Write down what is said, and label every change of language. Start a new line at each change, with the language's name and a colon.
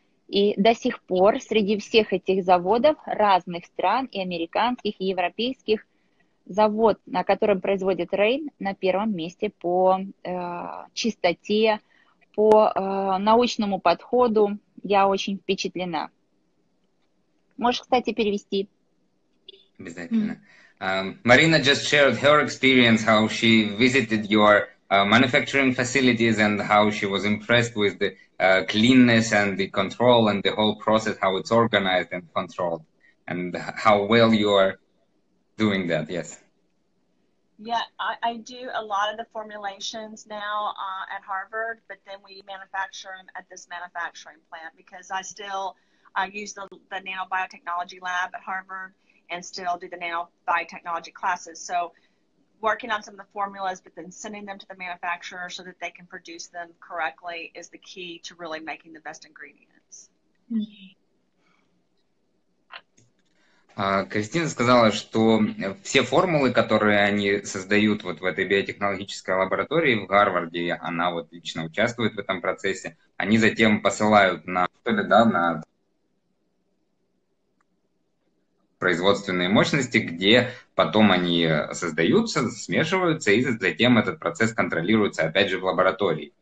Russian: И до сих пор среди всех этих заводов разных стран, и американских, и европейских, завод, на котором производит Rain, на первом месте по чистоте, по научному подходу. Я очень впечатлена. Можешь, кстати, перевести? Обязательно.
English: Марина just shared her experience, how she visited your manufacturing facilities and how she was impressed with the cleanness and the control and the whole process, how it's organized and controlled, and how well you are doing that. Yes. Yeah, I do a lot of the formulations now at Harvard, but then we manufacture them at this manufacturing plant because I still use the nanobiotechnology lab at Harvard and still do the nanobiotechnology classes. So working on some of the formulas, but then sending them to the manufacturer so that they can produce them correctly is the key to really making the best ingredients.
Russian: Кристина сказала, что все формулы, которые они создают вот в этой биотехнологической лаборатории в Гарварде, она вот лично участвует в этом процессе, они затем посылают на производственные мощности, где потом они создаются, смешиваются, и затем этот процесс контролируется, опять же, в лаборатории.